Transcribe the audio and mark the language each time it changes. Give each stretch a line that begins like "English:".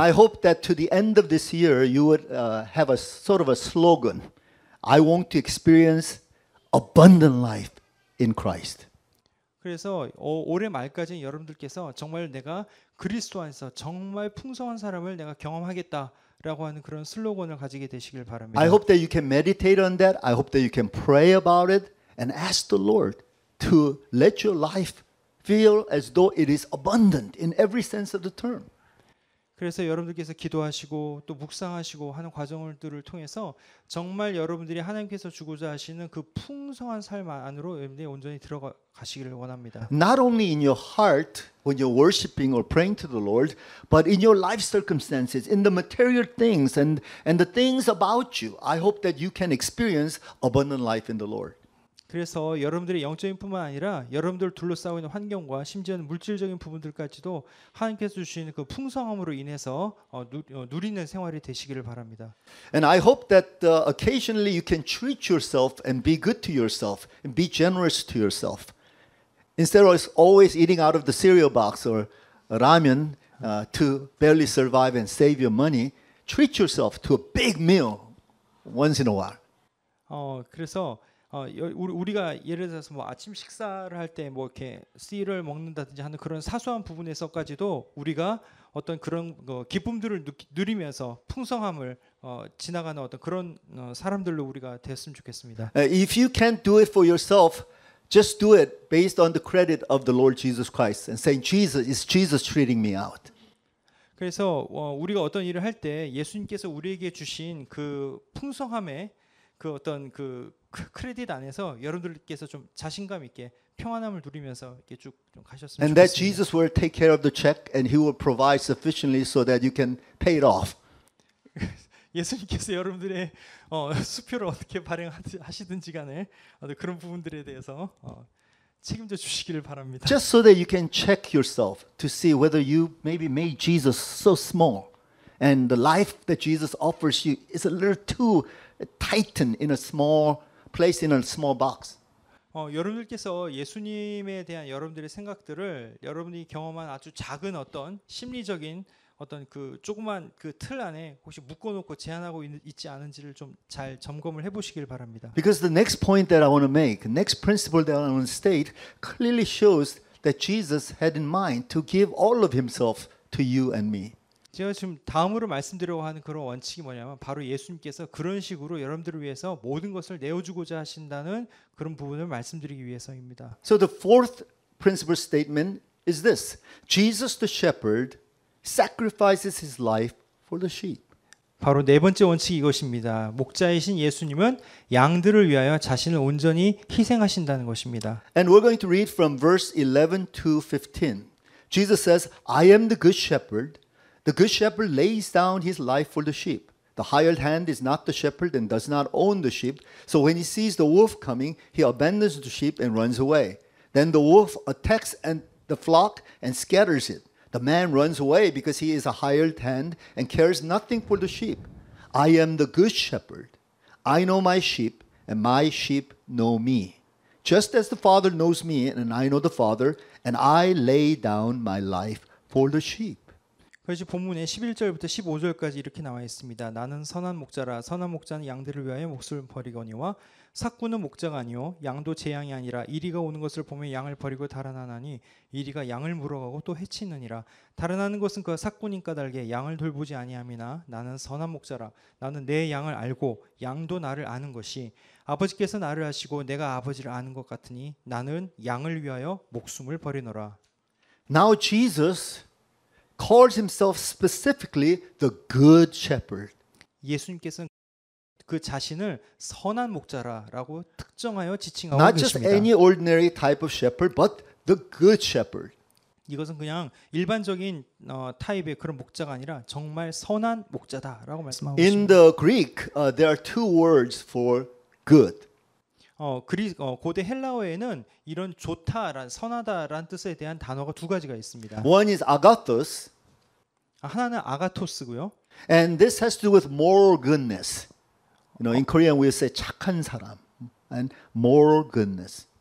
English: And I hope that to the end of this year you would have a sort of a slogan. I want to experience abundant life in Christ.
Korean: 그래서 올해 말까지 여러분들께서 정말 내가 그리스도 안에서 정말 풍성한 사람을 내가 경험하겠다라고 하는 그런 슬로건을 가지게 되시길 바랍니다.
English: I hope that you can meditate on that. I hope that you can pray about it and ask the Lord to let your life feel as though it is abundant in every sense of the term.
Korean: 그래서 여러분들께서 기도하시고 또 묵상하시고 하는 과정들을 통해서 정말 여러분들이 하나님께서 주고자 하시는 그 풍성한 삶 안으로 여러분들이 온전히 들어가시기를 원합니다.
English: Not only in your heart when you're worshiping or praying to the Lord, but in your life circumstances, in the material things and the things about you, I hope that you can experience abundant life in the Lord.
Korean: 그래서 여러분들의 영적인 뿐만 아니라 여러분들 둘러싸고 있는 환경과 심지어는 물질적인 부분들까지도 하나님께서 주시는 그 풍성함으로 인해서 누리는 생활이 되시기를 바랍니다.
English: And I hope that occasionally you can treat yourself and be good to yourself and be generous to yourself. Instead of always eating out of the cereal box or ramen to barely survive and save your money, treat yourself to a big meal once in a while.
Korean: 그래서 우리가 예를 들어서 뭐 아침 식사를 할 때 뭐 이렇게 씨를 먹는다든지 하는 그런 사소한 부분에서까지도 우리가 어떤 그런 기쁨들을 누리면서 풍성함을 지나가는 어떤 그런 사람들로 우리가 됐으면 좋겠습니다.
English: If you can't do it for yourself, just do it based on the credit of the Lord Jesus Christ and saying Jesus is Jesus treating me out.
Korean: 그래서 우리가 어떤 일을 할 때 예수님께서 우리에게 주신 그 풍성함에 그 어떤 그 크레딧 안에서 여러분들께서 좀 자신감 있게 평안함을 누리면서 이렇게 쭉 좀 가셨으면 좋겠습니다.
English: And that Jesus will take care of the check and he will provide sufficiently so that you can pay it off.
Korean: 예수님께서 여러분들의 수표를 어떻게 발행하시든지 간에 그런 부분들에 대해서 책임져 주시기를 바랍니다.
English: Just so that you can check yourself to see whether you maybe made Jesus so small and the life that Jesus offers you is a little too tightened in a small place in a small box.
Korean: 여러분들께서 예수님에 대한 여러분들의 생각들을 여러분이 경험한 아주 작은 어떤 심리적인 어떤 그 조그만 그 틀 안에 혹시 묶어 놓고 제한하고 있지 않은지를 좀 잘 점검을 해 보시길 바랍니다.
English: Because the next point that I want to make, next principle that I want to state clearly shows that Jesus had in mind to give all of himself to you and me.
Korean: 제가 지금 다음으로 말씀드리려고 하는 그런 원칙이 뭐냐면 바로 예수님께서 그런 식으로 여러분들을 위해서 모든 것을 내어주고자 하신다는 그런 부분을 말씀드리기 위해서입니다.
English: So the fourth principle statement is this. Jesus the shepherd sacrifices his life for the sheep.
Korean: 바로 네 번째 원칙이 이것입니다. 목자이신 예수님은 양들을 위하여 자신을 온전히 희생하신다는 것입니다.
English: And we're going to read from verse 11 to 15. Jesus says, I am the good shepherd. The good shepherd lays down his life for the sheep. The hired hand is not the shepherd and does not own the sheep. So when he sees the wolf coming, he abandons the sheep and runs away. Then the wolf attacks the flock and scatters it. The man runs away because he is a hired hand and cares nothing for the sheep. I am the good shepherd. I know my sheep, and my sheep know me. Just as the Father knows me, and I know the Father, and I lay down my life for the sheep.
Korean: 그래서 본문에 11절부터 15절까지 이렇게 나와 있습니다. 나는 선한 목자라 선한 목자는 양들을 위하여 목숨을 버리거니와 삭꾼은 목자가 아니요 양도 제 양이 아니라 이리가 오는 것을 보면 양을 버리고 달아나나니 이리가 양을 물어가고 또 해치느니라 달아나는 것은 그 삭꾼인 까닭에 양을 돌보지 아니함이나 나는 선한 목자라 나는 내 양을 알고 양도 나를 아는 것이 아버지께서 나를 아시고 내가 아버지를 아는 것 같으니 나는 양을 위하여 목숨을 버리노라.
English: Now Jesus calls himself specifically the good shepherd.
Korean: 예수님께서는 그 자신을 선한 목자라라고 특정하여 지칭하고
English: Not
Korean: 계십니다.
English: Not just any ordinary type of shepherd, but the good shepherd.
Korean: 이것은 그냥 일반적인 타입의 그런 목자가 아니라 정말 선한 목자다라고 말씀하고
English: In
Korean: 있습니다.
English: In the Greek, there are two words for good.
Korean: 고대 헬라어에는 이런 좋다란 선하다란 뜻에 대한 단어가 두 가지가 있습니다.
English: One is agathos.
Korean: 하나는 아가토스고요.
English: And this has to do with moral goodness. You know, in Korean we say
Korean: 착한 사람
English: and moral goodness.